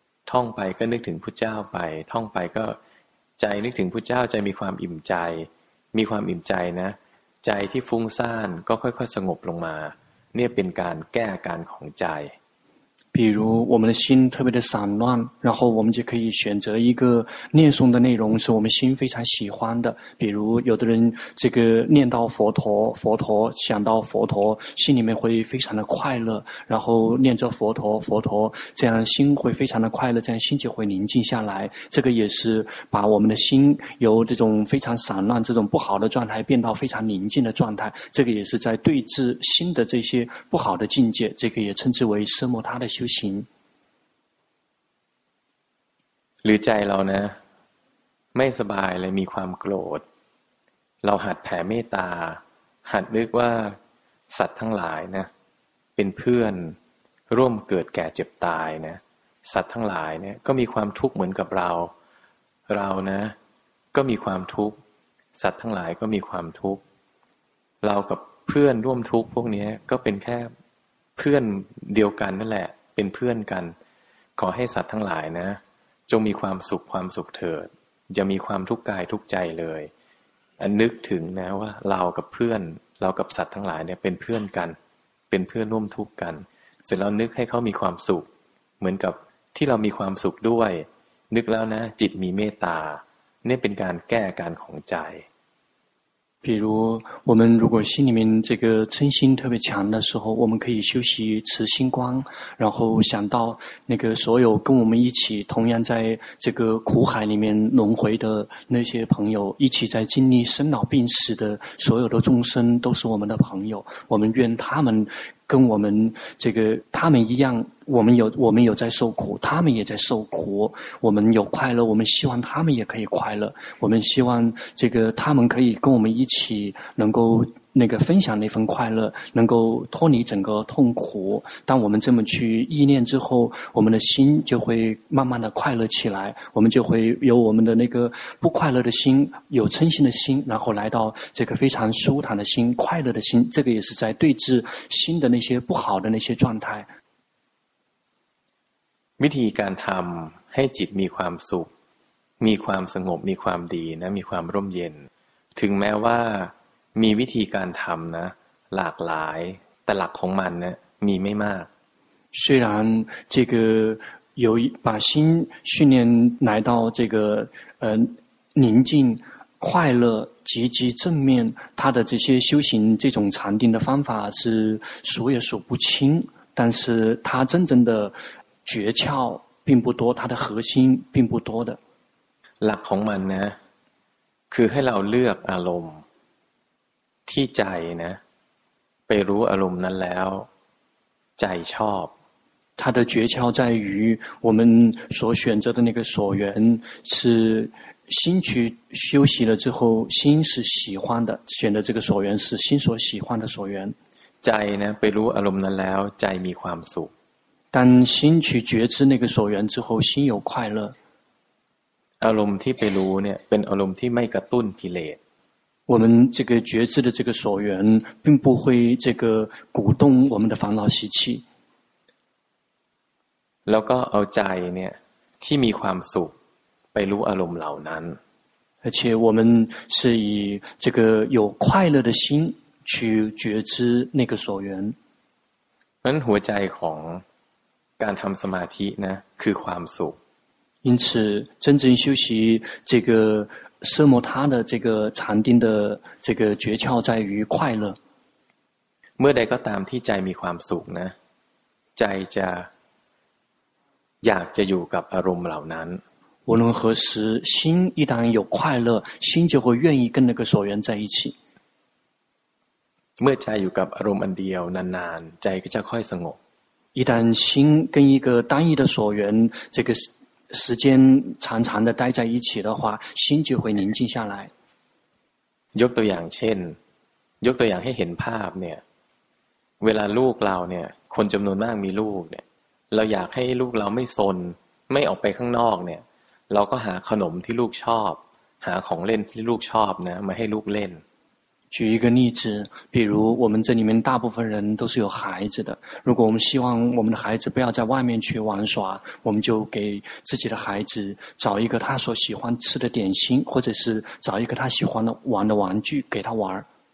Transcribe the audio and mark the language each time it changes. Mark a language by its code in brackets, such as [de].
[th] ท่องไปก็นึกถึงพุทธเจ้าไปท่องไปก็ใจนึกถึงพุทธเจ้าใจมีความอิ่มใจมีความอิ่มใจนะใจที่ฟุ้งซ่านก็ค่อยๆสงบลงมาเนี่ยเป็นการแก้อาการของใจ [zh] 比如我们的心特别的散乱然后我们就可以选择一个念诵的内容是我们心非常喜欢的比如有的人这个念到佛陀想到佛陀心里面会非常的快乐然后念着佛陀这样心会非常的快乐这样心就会宁静下来这个也是把我们的心由这种非常散乱这种不好的状态变到非常宁静的状态这个也是在对治心的这些不好的境界这个也称之为奢摩他的修行 [th] หรือใจเรานะไม่สบายเลยมีความโกรธเราหัดแผ่เมตตาหัดนึกว่าสัตว์ทั้งหลายนะเป็นเพื่อนร่วมเกิดแก่เจ็บตายนะสัตว์ทั้งหลายเนี่ยก็มีความทุกข์เหมือนกับเรา นะก็มีความทุกข์สัตว์ทั้งหลายก็มีความทุกข์เรากับเพื่อนร่วมทุกข์พวกนี้ก็เป็นแค่เพื่อนเดียวกันนั่นแหละเป็นเพื่อนกันขอให้สัตว์ทั้งหลายนะจงมีความสุขเถิดอย่ามีความทุกข์กายทุกข์ใจเลย นึกถึงนะว่าเรากับเพื่อนเรากับสัตว์ทั้งหลายเนี่ยเป็นเพื่อนกันเป็นเพื่อนร่วมทุกข์กันเสร็จแล้วนึกให้เขามีความสุขเหมือนกับที่เรามีความสุขด้วยนึกแล้วนะจิตมีเมตตาเนี่ยเป็นการแก้อาการของใจ [zh] 比如我们如果心里面这个嗔心特别强的时候我们可以修习慈心观然后想到那个所有跟我们一起同样在这个苦海里面轮回的那些朋友一起在经历生老病死的所有的众生都是我们的朋友我们愿他们跟我们这个他们一样我们有在受苦他们也在受苦我们有快乐我们希望他们也可以快乐我们希望这个他们可以跟我们一起能够那个分享那份快乐能够脱离整个痛苦当我们这么去意念之后我们的心就会慢慢的快乐起来我们就会由我们的那个不快乐的心有嗔心的心然后来到这个非常舒坦的心快乐的心这个也是在对治心的那些不好的那些状态 [th] วิธีการทำให้จิตมีความสุขมีความสงบมีความดีนะมีความร่มเย็นถึงแม้ว่ามีวิธีการทำนะหลากหลายแต่หลักของมันนะมีไม่มาก [zh] 虽然这个有把心训练来到这个宁静快乐积极正面他的这些修行这种禅定的方法是数也数不清但是他真正的诀窍并不多他的核心并不多的 [th] หลักของมันนะคือให้เราเลือกอารมณ์ที่ใจนะไปรู้อารมณ์นั้นแล้วใจชอบ [zh] 它的诀窍在于我们所选择的那个所缘是心去休息了之后心是喜欢的选择这个所缘是心所喜欢的所缘 [th] ใจนะไปรู้อารมณ์นั้นแล้วใจมีความสุข [zh] 当心去觉知那个所缘之后心有快乐 [th] อารมณ์ที่ไปรู้เนี่ยเป็นอารมณ์ที่ไม่กระตุ้นกิเลส [zh] 我们这个觉知的这个所缘并不会这个鼓动我们的烦恼习气 [th] แล้วก็เอาใจเนี่ยที่มีความสุขไปรู้อารมณ์เหล่านั้น [zh] 而且我们是以这个有快乐的心去觉知那个所缘 [th] นั้นหัวใจของการทำสมาธินะคือความสุข [zh] 因此真正修习这个奢摩他的这个禅定的这个诀窍在于快乐 [th] เมื่อใดก็ตามที่ใจมีความสุขนะใจจะอยากจะอยู่กับอารมณ์เหล่านั้น [zh] 无论何时心一旦有快乐心就会愿意跟那个所缘在一起 [th] เมื่อใจอยู่กับอารมณ์อันเดียวนานๆใจก็จะค่อยสงบ [zh] 一旦心跟一个单一的所缘这个时间长长的待在一起的话心就会宁静下来 [th] ยกตัวอย่างเช่นยกตัวอย่างให้เห็นภาพเนี่ยเวลาลูกเราเนี่ยคนจำนวนมากมีลูกเนี่ยเราอยากให้ลูกเราไม่ซนไม่ออกไปข้างนอกเนี่ยเราก็หาขนมที่ลูกชอบหาของเล่นที่ลูกชอบนะมาให้ลูกเล่น [zh] 举一个例子比如我们这里面大部分人都是有孩子的如果我们希望我们的孩子不要在外面去玩耍我们就给自己的孩子找一个他所喜欢吃的点心或者是找一个他喜欢的玩的玩具给他玩